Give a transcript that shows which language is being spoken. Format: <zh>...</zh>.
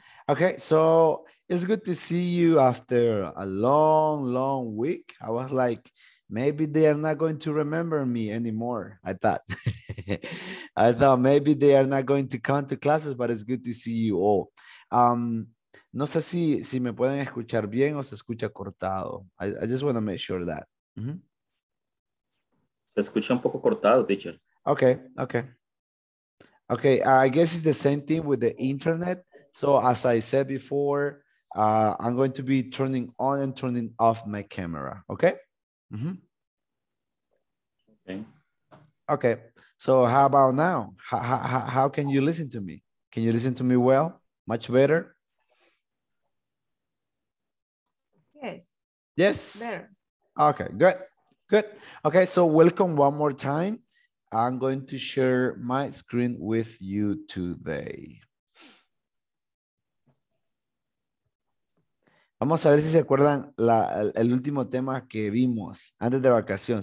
<en>Okay, so it's good to see you after a long, long week. I was like, maybe they are not going to remember me anymore, I thought. I thought maybe they are not going to come to classes, but it's good to see you all.</en> <es>No sé si me pueden escuchar bien o se escucha cortado.</es> <en>I just want to make sure that. Mm-hmm.</en> <es>Se escucha un poco cortado, teacher.</es> <en>Okay, okay. Okay, I guess it's the same thing with the internet. So as I said before, I'm going to be turning on and turning off my camera, okay? Mm-hmm. Okay. Okay, so how about now? How can you listen to me? Can you listen to me well? Much better? Yes. Better. Okay, good. Good. Okay, so welcome one more time. I'm going to share my screen with you today.</en> <es>Vamos a ver si se acuerdan el último tema que vimos antes de vacación.</es>